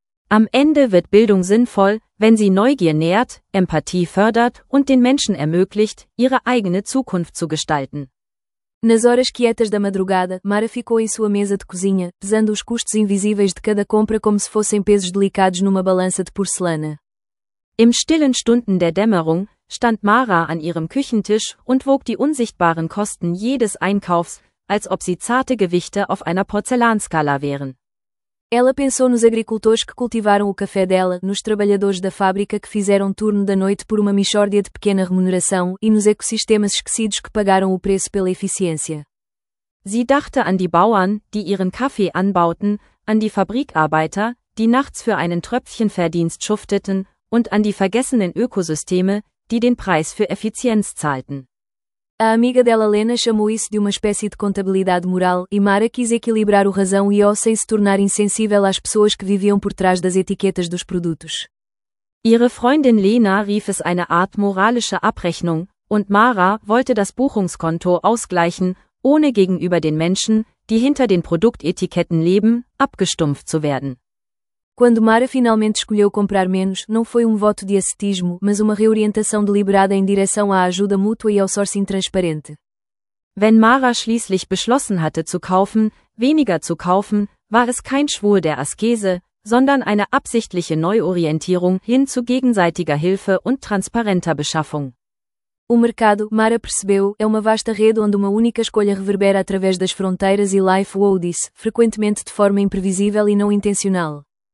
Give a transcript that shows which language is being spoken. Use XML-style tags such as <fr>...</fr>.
<de>Am Ende wird Bildung sinnvoll, wenn sie Neugier nährt, Empathie fördert und den Menschen ermöglicht, ihre eigene Zukunft zu gestalten.</de> <pt>Nas horas quietas da madrugada, Mara ficou em sua mesa de cozinha, pesando os custos invisíveis de cada compra como se fossem pesos delicados numa balança de porcelana.</pt> <de>Im stillen Stunden der Dämmerung stand Mara an ihrem Küchentisch und wog die unsichtbaren Kosten jedes Einkaufs, als ob sie zarte Gewichte auf einer Porzellanskala wären.</de> <pt>Ela pensou nos agricultores que cultivaram o café dela, nos trabalhadores da fábrica que fizeram turno da noite por uma mixórdia de pequena remuneração e nos ecossistemas esquecidos que pagaram o preço pela eficiência.</pt> <de>Sie dachte an die Bauern, die ihren Kaffee anbauten, an die Fabrikarbeiter, die nachts für einen Tröpfchenverdienst schufteten, und an die vergessenen Ökosysteme, die den Preis für Effizienz zahlten.</de> <pt>A amiga dela Lena chamou isso de uma espécie de contabilidade moral, e Mara quis equilibrar o razão e o sem se tornar insensível às pessoas que viviam por trás das etiquetas dos produtos.</pt> <de>Ihre Freundin Lena rief es eine Art moralische Abrechnung, und Mara wollte das Buchungskonto ausgleichen, ohne gegenüber den Menschen, die hinter den Produktetiketten leben, abgestumpft zu werden.</de> <pt>Quando Mara finalmente escolheu comprar menos, não foi voto de ascetismo, mas uma reorientação deliberada em direção à ajuda mútua e ao sourcing transparente.</pt> <de>Wenn Mara schließlich beschlossen hatte zu kaufen, weniger zu kaufen, war es kein Schwur der Askese, sondern eine absichtliche Neuorientierung hin zu gegenseitiger Hilfe und transparenter Beschaffung.</de> <pt>O mercado, Mara percebeu, é uma vasta rede onde uma única escolha reverbera através das fronteiras e</pt> <en>life woes,</en> <pt>frequentemente de forma imprevisível e não intencional.</pt>